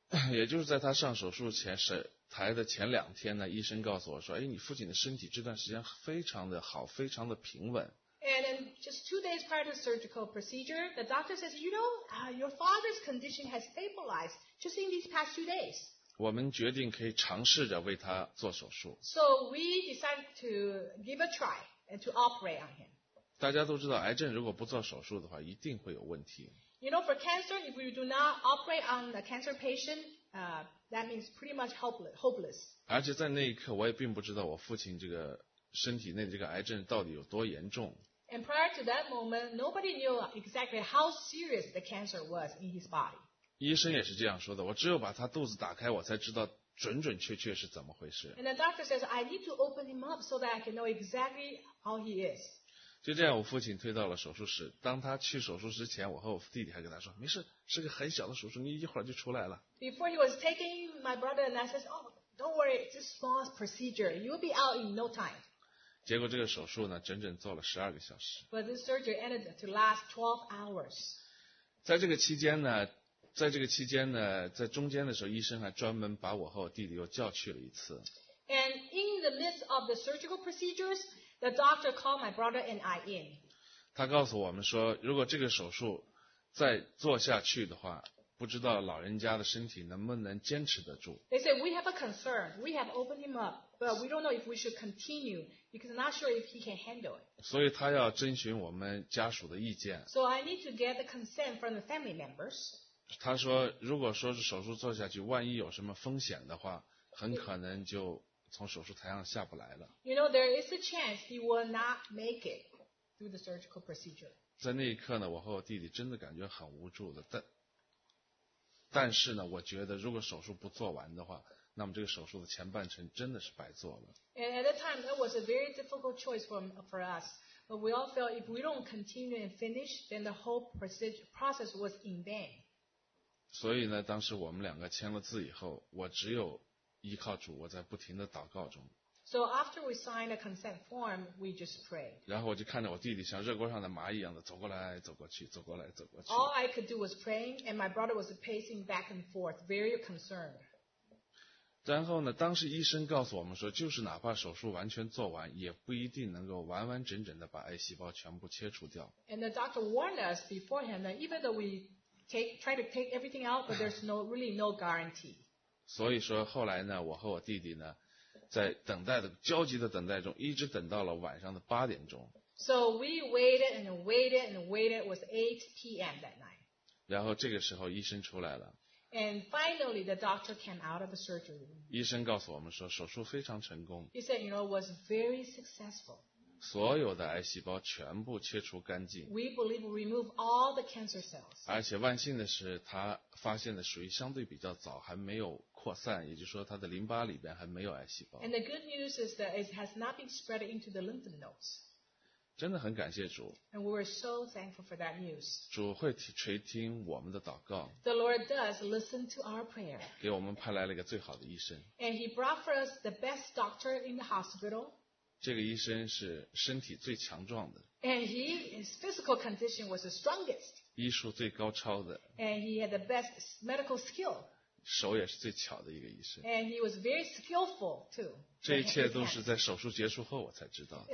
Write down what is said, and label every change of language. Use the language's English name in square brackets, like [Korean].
[Chinese] 也就是在他上手术前台的前两天呢，医生告诉我说，哎，你父亲的身体这段时间非常的好，非常的平稳。 [English] And then just 2 days prior to the surgical procedure, the doctor says, you know, your father's condition has stabilized just in these past 2 days. [Chinese] 我们决定可以尝试着为他做手术。 [English] So we decided to give a try and to operate on him. [Chinese] 大家都知道，癌症如果不做手术的话，一定会有问题。 [English] You know, for cancer, if you do not operate on a cancer patient, that means pretty much hopeless. [Chinese] 而且在那一刻，我也并不知道我父亲这个身体内这个癌症到底有多严重。 [English] And prior to that moment, nobody knew exactly how serious the cancer was in his body. [Chinese] 医生也是这样说的，我只有把他肚子打开，我才知道准准确确是怎么回事。 [English] And the doctor says, I need to open him up so that I can know exactly how he is. [Chinese] 就这样，我父亲推到了手术室。当他去手术之前，我和我弟弟还跟他说，没事，是个很小的手术，你一会儿就出来了。 [English] Before he was taken, my brother and I said, oh, don't worry, it's a small procedure. You'll be out in no time. [Chinese] 结果这个手术呢，整整做了12个小时。 [English] But this surgery ended to last 12 hours. [Chinese] 在这个期间呢，在中间的时候，医生还专门把我和我弟弟又叫去了一次。 [English] And in the midst of the surgical procedures, the doctor called my brother and I in. [Chinese] 他告诉我们说，如果这个手术再做下去的话，不知道老人家的身体能不能坚持得住。 [English] They said we have a concern. We have opened him up, but we don't know if we should continue. Because I'm not sure if he can handle it. [Chinese] 所以他要征询我们家属的意见。 [English] So I need to get the consent from the family members. [Chinese] 他说，如果说是手术做下去，万一有什么风险的话，很可能就从手术台上下不来了。 [English] You know, there is a chance he will not make it through the surgical procedure. [Chinese] 在那一刻呢，我和我弟弟真的感觉很无助的。但是呢，我觉得如果手术不做完的话，那么这个手术的前半程真的是白做了。 [English] At that time, that was a very difficult choice for us. But we all felt if we don't continue and finish, then the whole process was in vain. [Chinese] 所以呢，当时我们两个签了字以后，我只有依靠主，我在不停的祷告中。 [English] So after we signed a consent form, we just prayed. [Chinese] 然后我就看着我弟弟像热锅上的蚂蚁一样的走过来走过去，走过来走过去。 [English] All I could do was praying, and my brother was pacing back and forth, very concerned. [Chinese] 然后呢，当时医生告诉我们说，就是哪怕手术完全做完，也不一定能够完完整整的把癌细胞全部切除掉。 [English] And the doctor warned us beforehand that even though we try to take everything out, but there's really no guarantee. [Chinese] 所以说后来呢，我和我弟弟呢，在等待的焦急的等待中，一直等到了晚上的8点钟。 [English] So we waited and waited and waited. It was 8 p.m. that night. [Chinese] 然后这个时候医生出来了。 [English] And finally, the doctor came out of the surgery room. [Chinese] 医生告诉我们说，手术非常成功。 [English] He said, you know, it was very successful. [Chinese] 所有的癌细胞全部切除干净。 [English] We believe we remove all the cancer cells. [Chinese] 而且万幸的是，他发现的属于相对比较早，还没有扩散，也就是说，他的淋巴里边还没有癌细胞。 [English] And the good news is that it has not been spread into the lymph nodes. [Chinese] 真的很感谢主。 [English] And we were so thankful for that news. [Chinese] 主会垂听我们的祷告。 [English] The Lord does listen to our prayer. [Chinese] 给我们派来了一个最好的医生。 [English] And he brought for us the best doctor in the hospital. [Chinese] 这个医生是身体最强壮的。 [English] And his physical condition was the strongest. [Chinese] 医术最高超的。 [English] And he had the best medical skill. [Chinese] 手也是最巧的一个医生。 [English] And he was very skillful too. [Chinese] 这一切都是在手术结束后我才知道的。